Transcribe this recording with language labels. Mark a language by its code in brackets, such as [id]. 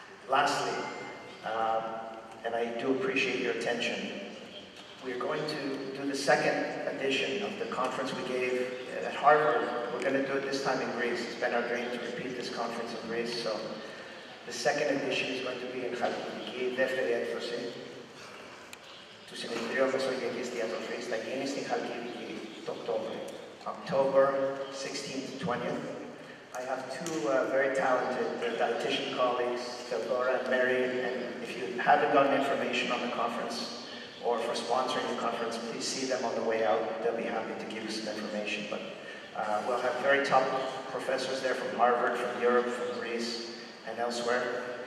[en] Lastly, and I do appreciate your attention, we are going to do the second edition of the conference we gave at Harvard. We're going to do it this time in Greece. It's been our dream to repeat this conference in Greece. So the second edition is going to be in Χαλκιδική, [el] δεύτερη έκδοση του Συνεδρίου Μεσογειακής Διατροφής. Θα γίνει στην Χαλκιδική το Οκτώβριο. [en] October 16th to 20th. I have two very talented dietitian colleagues, Theodora and Mary, and if you haven't gotten information on the conference or for sponsoring the conference, please see them on the way out. They'll be happy to give you some information. But we'll have very top professors there from Harvard, from Europe, from Greece, and elsewhere.